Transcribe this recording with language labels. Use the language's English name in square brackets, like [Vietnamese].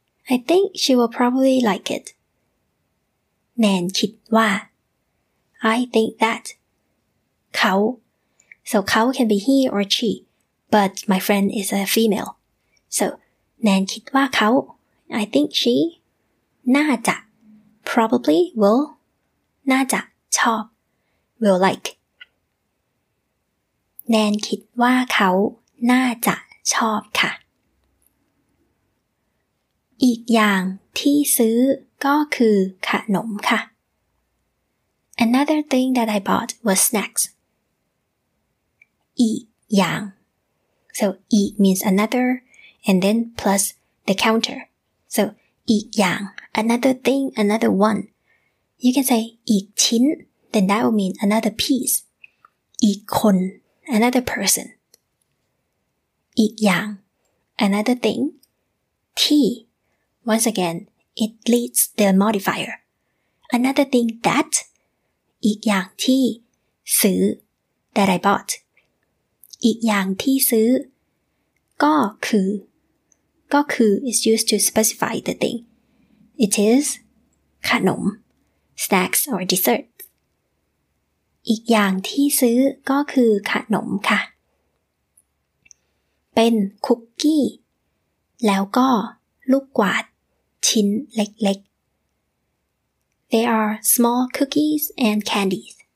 [English] I think she will probably like it. [Thai] แนนคิดว่า [English] I think that. [Thai] เขา [English] So เขา can be he or she, but my friend is a female. So [Thai] แนนคิดว่าเขา [English] I think she [Thai] น่าจะ [English] probably will [Thai] น่าจะชอบ [English] will like. [Thai] แนนคิดว่าเขาน่าจะชอบค่ะอีกอย่างที่ซื้อก็คือขนมค่ะ [English] Another thing that I bought was snacks [Thai] อีกอย่าง [English] So อีก means another and then plus the counter So [Thai] อีกอย่าง [English] another thing another one You can say [Thai] อีกชิ้น [English] then that will mean another piece [Thai] อีกคน [English] another person [Thai] อีกอย่าง [English] another thing [Thai] ที่ [English] once again it leads the modifier another thing that [Thai] อีกอย่างที่ซื้อ [English] that I bought [Thai] อีกอย่างที่ซื้อก็คือ [English] is used to specify the thing it is [Thai] ขนม [English] snacks or dessert [Thai] อีกอย่างที่ซื้อก็คือขนมค่ะเป็นคุกกี้แล้วก็ลูกกวาดชิ้นเล็ก [English] ๆ They are small cookies and candies